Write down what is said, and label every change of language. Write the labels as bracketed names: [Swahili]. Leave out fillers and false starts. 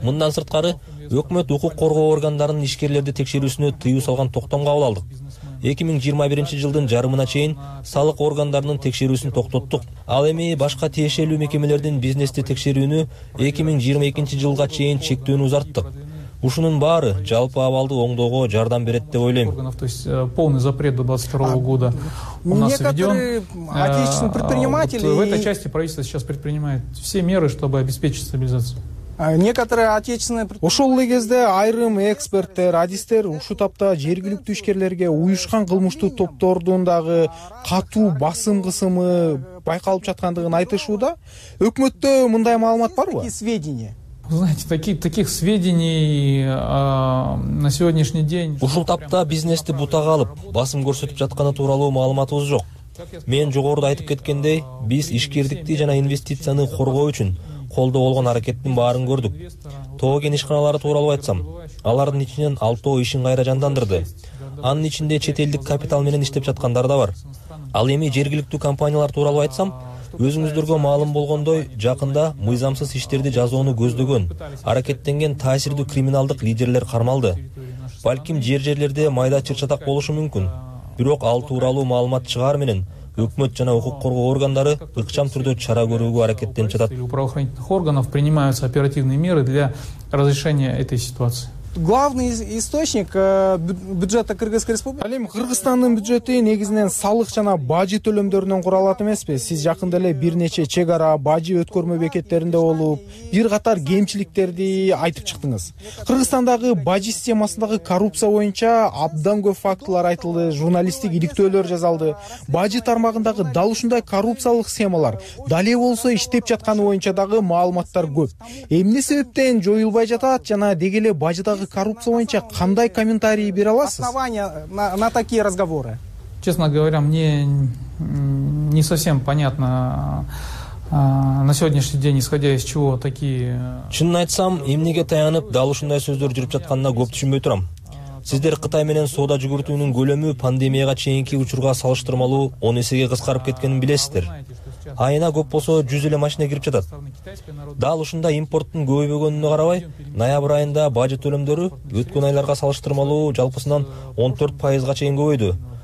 [Kyrgyz] Мындан сырткары өкмөт укук коргоо органдарынын ишкерлерди текшерүүсүнө тыюу салган токтом кабыл алдык. 2021 жылдын жарымына чейин салык органдарынын текшерүүсүн токтоттук. Ал эми башка тиешелүү мекемелердин бизнести текшерүүнү 2022 жылга чейин чектөөнү узарттык. Ушунун баары жалпы абалды оңдоого жардам берет деп ойлойм. [Russian] То есть полный запрет до 22 года у нас введен. Отечественные предприниматели в этой части правительство сейчас предпринимает все меры, чтобы обеспечить стабилизацию. Некоторые отечественные [Kyrgyz] ошол эле кезде айрым эксперттер, радистер ушул тапта жергиликтүү ишкерлерге уюшкан кылмыштуу топтордун дагы катуу басым кысымы байкалып жаткандыгын айтышууда. Өкмөттө мындай маалымат барбы? [Russian] Какие сведения? Вы знаете, таких сведений на сегодняшний день. [Kyrgyz] Ушул тапта бизнести бутага алып, басым көрсөтүп жатканы тууралуу маалыматыбыз жок. Мен жогоруда айтып кеткендей, биз ишкердикти жана инвестицияны коргоо үчүн колдо болгон аракеттин баарын көрдүк. Тоо кен ишканалары тууралуу айтсам, алардын ичинен 6 ишин кайра жандандырды. Анын ичинде чет элдик капитал менен иштеп жаткандар да бар. Ал эми жергиликтүү компаниялар тууралуу айтсам, өзүңүздөргө маалым болгондой, жакында мыйзамсыз иштерди жазууну көздөгөн, аракеттенген таасирдүү криминалдык лидерлер кармалды. Балким жер-жерлерде майда чыр-чатак болушу мүмкүн. Бирок ал тууралуу маалымат чыгаар менен өкмөт жана укук коргоо органдары ыкчам түрдө чара көрүүгө аракеттенип жатат. [Russian] У правоохранительных органов принимаются оперативные меры для разрешения этой ситуации. Главный источник бюджета Кыргызской Республики. [Kyrgyz] Ал эми Кыргызстандын бюджети негизинен салык жана бажы төлөмдөрүнөн куралат эмеспи? Сиз жакында эле бир нече чек ара, бажы өткөрмө бекеттеринде болуп, бир катар кемчиликтерди айтып чыктыңыз. Кыргызстандагы бажы системасындагы коррупция боюнча абдан көп фактылар айтылды, журналисттик иликтөөлөр жасалды. Бажы тармагындагы дал ушундай коррупциялык схемалар дале болсо иштеп жатканы боюнча дагы маалыматтар көп. Эмне себептен жоюлбай жатат жана деги эле бажы дагы коррупция боюнча кандай комментарий бере аласыз? [Russian] Основания на такие разговоры. Честно говоря, мне не совсем понятно на сегодняшний день, исходя из чего такие. [Kyrgyz] Чынын айтсам, эмнеге таянып дал ушундай сөздөр жүрүп жатканына көп түшүнбөй турам. Сиздер Кытай менен соода жүгүртүүнүн көлөмү пандемияга чейинки учурга салыштырмалуу 10 эсеге кыскарып кеткенин билесиздер. Айына көп болсо 100 эле машина кирип жатат. Дал ушунда импорттун көбөйбөгөнүнө карабай, ноябрь айында бажы төлөмдөрү өткөн айларга салыштырмалуу жалпысынан 14% чейин көбөйдү.